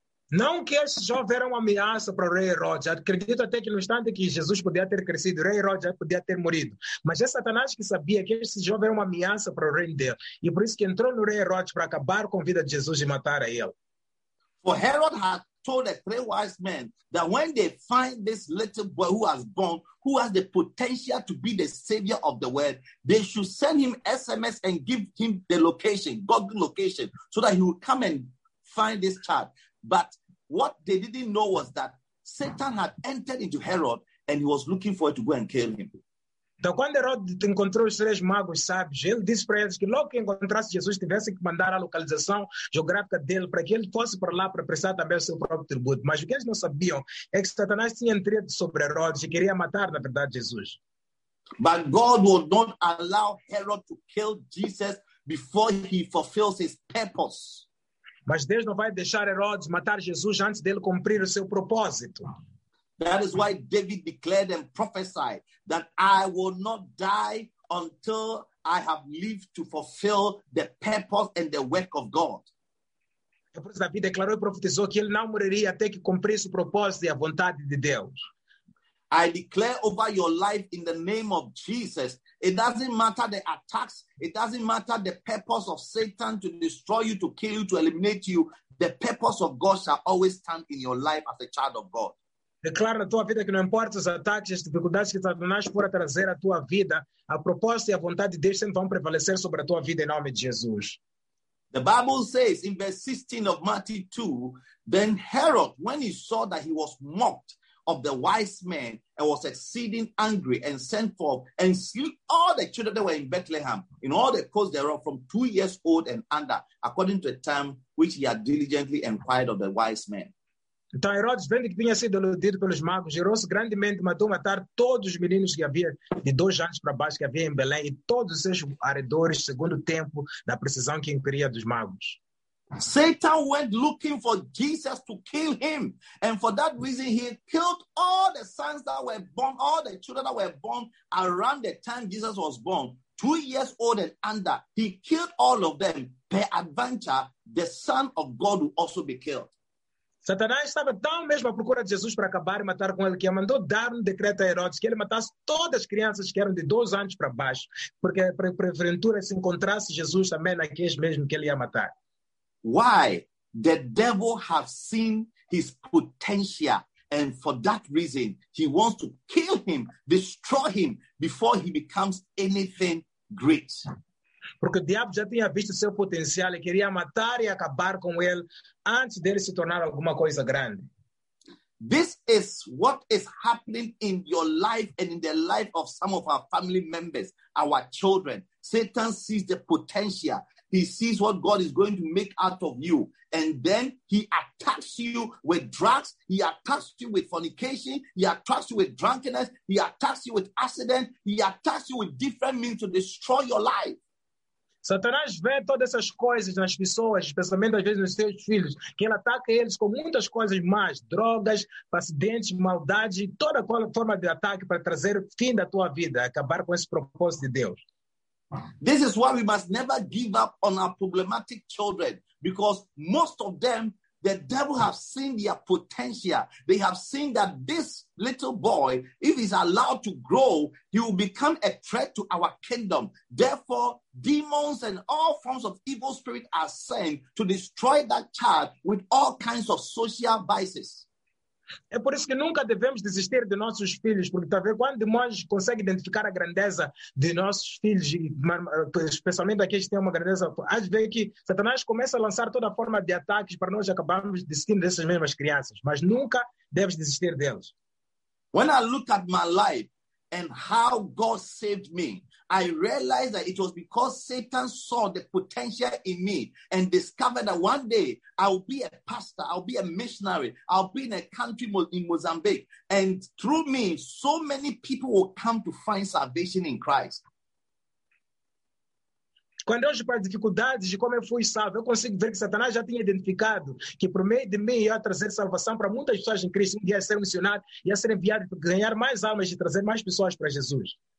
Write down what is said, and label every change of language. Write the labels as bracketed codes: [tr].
[pt] Não que esse jovem era uma ameaça para o rei Herodes. Acredito até que no instante que Jesus podia ter crescido, o rei Herodes já podia ter morrido. Mas é Satanás que sabia que esse jovem era uma ameaça para o reino dele. E por isso que entrou no rei Herodes para acabar com a vida de Jesus e matar a ele. [en] For Herod had told the three wise men that when they find this little boy who has born, who has the potential to be the savior of the world, they should send him SMS and give him the location, God's location, so that he will come and find this child. But what they didn't know was that Satan had entered into Herod and he was looking for it to go and kill him. [pt] Então, quando Herod encontrou os três magos sábios, ele disse para eles que logo que encontrasse Jesus, tivesse que mandar a localização geográfica dele para que ele fosse para lá para prestar também o seu próprio tributo. Mas o que eles não sabiam é que Satanás tinha entrado sobre Herod e queria matar, na verdade, Jesus. [en] But God will not allow Herod to kill Jesus before he fulfills his purpose. [pt] Mas Deus não vai deixar Herodes matar Jesus antes dele cumprir o seu propósito. [en] That is why David declared and prophesied that I will not die until I have lived to fulfill the purpose and the work of God. [pt] David declarou e profetizou que ele não morreria até que cumprisse o propósito e a vontade de Deus. [en] I declare over your life in the name of Jesus. It doesn't matter the attacks. It doesn't matter the purpose of Satan to destroy you, to kill you, to eliminate you. The purpose of God shall always stand in your life as a child of God. [pt] Declaro na tua vida que não importa os ataques, as dificuldades que Satanás for a trazer à tua vida, a proposta e a vontade de Deus sempre vão prevalecer sobre a tua vida em nome de Jesus. [en] The Bible says in verse 16 of Matthew 2, then Herod, when he saw that he was mocked of the wise men, and was exceeding angry, and sent forth and slew all the children that were in Bethlehem, in all the coasts thereof, from 2 years old and under, according to a time which he had diligently inquired of the wise men. [pt] Então Herodes, vendo que tinha sido iludido pelos magos, gerou-se grandemente, mandou matar todos os meninos que havia de 2 anos para baixo que havia em Belém e todos os seus arredores, segundo o tempo da precisão que inquiria dos magos. [en] Satan went looking for Jesus to kill him, and for that reason he killed all the sons that were born, all the children that were born around the time Jesus was born, 2 years old and under. He killed all of them. Per adventure, the Son of God will also be killed. [pt] Satanás estava tão mesmo à procura de Jesus para acabar e matar com ele que mandou dar um decreto a Herodes que ele matasse todas as crianças que eram de 12 anos para baixo, porque porventura se encontrasse Jesus também naqueles mesmo que ele ia matar. [en] Why? The devil has seen his potential, and for that reason he wants to kill him, destroy him before he becomes anything great. [pt] Porque o diabo já tinha visto seu potencial e queria matar e acabar com ele antes dele se tornar alguma coisa grande. [en] This is what is happening in your life and in the life of some of our family members, our children. Satan sees the potential. He sees what God is going to make out of you. And then he attacks you with drugs. He attacks you with fornication. He attacks you with drunkenness. He attacks you with accident. He attacks you with different means to destroy your life. [pt] Satanás vê todas essas coisas nas pessoas, especialmente às vezes nos seus filhos, que ele ataca eles com muitas coisas más, drogas, acidentes, maldade, toda forma de ataque para trazer o fim da tua vida, acabar com esse propósito de Deus. [en] This is why we must never give up on our problematic children, because most of them, the devil has seen their potential. They have seen that this little boy, if he's allowed to grow, he will become a threat to our kingdom. Therefore, demons and all forms of evil spirit are sent to destroy that child with all kinds of social vices. [pt] É por isso que nunca devemos desistir de nossos filhos, porque talvez quando demônios conseguem identificar a grandeza de nossos filhos, especialmente aqueles que têm uma grandeza, às vezes que Satanás começa a lançar toda a forma de ataques para nós acabarmos desistindo dessas mesmas crianças, mas nunca deves desistir deles. [en] When I look at my life and how God saved me, I realized that it was because Satan saw the potential in me and discovered that one day I'll be a pastor, I'll be a missionary, I'll be in a country in Mozambique, and through me, so many people will come to find salvation in Christ. [pt] Quando eu tive dificuldades de como eu fui salvo, eu consigo ver que Satanás já tinha identificado que por meio de mim ia trazer salvação para muitas pessoas em Cristo, ia ser missionário, ia ser enviado para ganhar mais almas e trazer mais pessoas para Jesus.